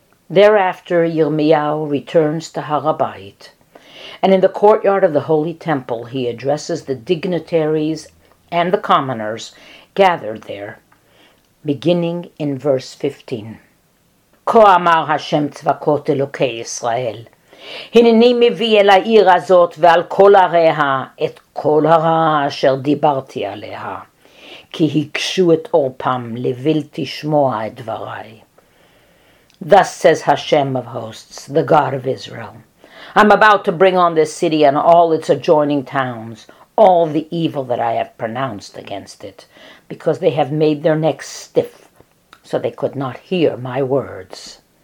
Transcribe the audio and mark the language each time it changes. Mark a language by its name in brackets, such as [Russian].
[English] Thereafter, Yirmiyahu returns to Har HaBayit, and in the courtyard of the Holy Temple, he addresses the dignitaries and the commoners gathered there, beginning in verse 15. [Hebrew] Koh amar Hashem Tzvakot Elokei Yisrael, הנני מביא אל העיר הזאת ועל כל עריה את כל הרע אשר דיברתי עליה, כי הקשו את עורפם לבלתי שמוע את דבריי. [English] Thus says Hashem of hosts, the God of Israel, I'm about to bring on this city and all its adjoining towns, all the evil that I have pronounced against it, because they have made their necks stiff, so they could not hear my words.